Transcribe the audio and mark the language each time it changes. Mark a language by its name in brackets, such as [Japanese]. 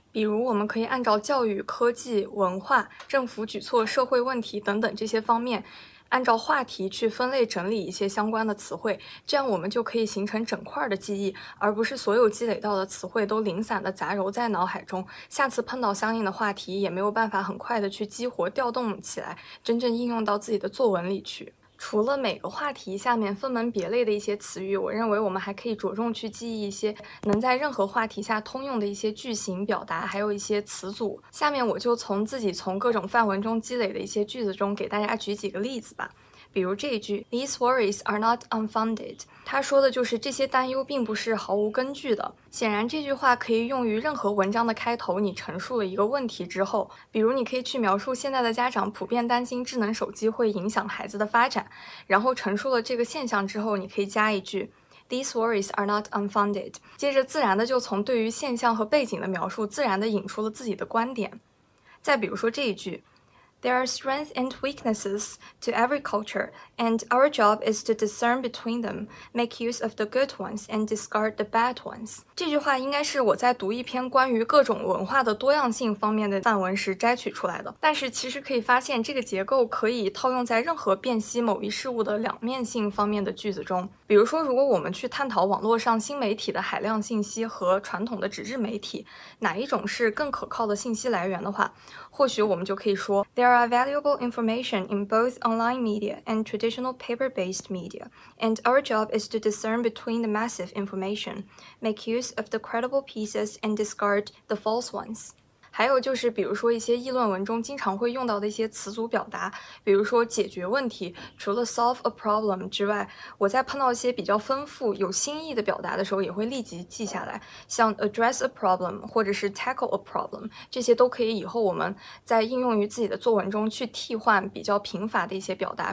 [Chinese] 比如，我们可以按照教育、科技、文化、政府举措、社会问题等等这些方面，按照话题去分类整理一些相关的词汇，这样我们就可以形成整块的记忆，而不是所有积累到的词汇都零散的杂糅在脑海中，下次碰到相应的话题也没有办法很快的去激活调动起来，真正应用到自己的作文里去。除了每个话题下面分门别类的一些词语，我认为我们还可以着重去记忆一些能在任何话题下通用的一些句型表达，还有一些词组。下面我就从自己从各种范文中积累的一些句子中给大家举几个例子吧。比如这一句， [English] These worries are not unfounded。 [Chinese] 他说的就是这些担忧并不是毫无根据的。显然，这句话可以用于任何文章的开头，你陈述了一个问题之后，比如你可以去描述现在的家长普遍担心智能手机会影响孩子的发展，然后陈述了这个现象之后，你可以加一句。 [English] These worries are not unfounded。 [Chinese] 接着自然的就从对于现象和背景的描述，自然的引出了自己的观点。再比如说这一句。 [English] There are strengths and weaknesses to every culture, and our job is to discern between them, make use of the good ones and discard the bad ones. [Chinese] 这句话应该是我在读一篇关于各种文化的多样性方面的范文时摘取出来的。但是其实可以发现，这个结构可以套用在任何辨析某一事物的两面性方面的句子中。比如说，如果我们去探讨网络上新媒体的海量信息和传统的纸质媒体，哪一种是更可靠的信息来源的话，或许我们就可以说 [English] There are valuable information in both online media and traditional paper-based media, and our job is to discern between the massive information, make use of the credible pieces and discard the false ones. [Chinese] 还有就是比如说一些议论文中经常会用到的一些词组表达，比如说解决问题，除了 [English] solve a problem [Chinese] 之外，我在碰到一些比较丰富有新意的表达的时候也会立即记下来，像 [English] address a problem [Chinese] 或者是 [English] tackle a problem， [Chinese] 这些都可以以后我们在应用于自己的作文中去替换比较贫乏的一些表达。